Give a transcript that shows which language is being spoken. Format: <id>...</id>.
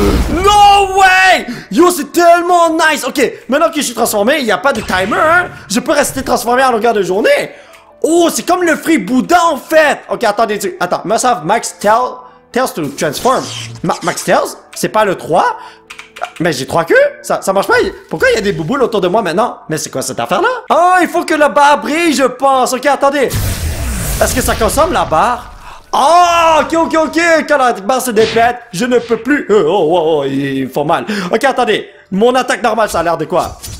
<fr>No way! Yo, c'est tellement nice! Ok, maintenant que je suis transformé, il n'y a pas de timer, hein? Je peux rester transformé à longueur de journée! Oh, c'est comme le free Bouddha, en fait!</fr> <en>Ok,</en> <fr>attendez, attends,</fr> <en>must have max tails to transform.</en> <fr>Max tails? C'est pas le 3? Mais j'ai 3 queues? Ça marche pas? Pourquoi il y a des bouboules autour de moi maintenant? Mais c'est quoi cette affaire-là? Oh, il faut que la barre brille, je pense! Ok, attendez! Est-ce que ça consomme la barre? Oh, ok, quand la barre se déplète, je ne peux plus... Oh, ils font mal. Ok, attendez, mon attaque normale, ça a l'air de quoi?</fr>